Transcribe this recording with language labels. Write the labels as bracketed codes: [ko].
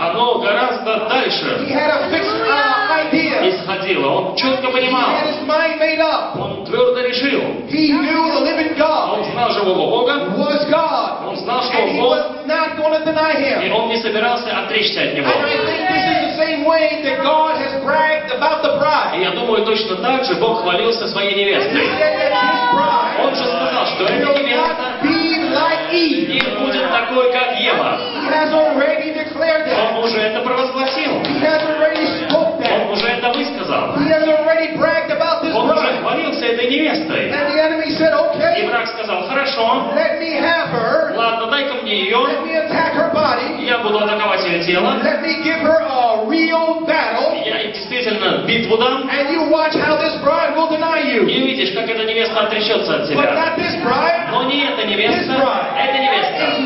[ru] Оно гораздо дальше. [en] He had a fixed idea. [ru] Исходило. Он четко понимал. [en] He had his mind made up. [ru] Он твердо решил. [en] He knew the living God. [ru] Он знал живого Бога. [en] Was God. [ru] Он знал, что [en] and [ru] Бог. [en] Was not gonna deny him. [ru] И он не собирался отречься от него. [en] This is the same way that God has bragged about the bride. [ru] И я думаю, точно так же Бог хвалился своей невестой. Он же сказал, что эта невеста не будет такой, как Ева. Он уже это провозгласил. Он уже это высказал. Он уже хвалился этой невестой. [en] And the enemy said, okay, [ru] и враг сказал, хорошо, [en] let me have her. [ru] Ладно, дай-ка мне ее, [en] let me attack her body. [ru] Я буду атаковать ее тело, [en] let me give her a real battle. [ru] Я действительно битву дам, [en] and you watch how this bride will deny you. [ru] И видишь, как эта невеста отречется от тебя. [en] But not this bride, [ru] но не эта невеста, эта невеста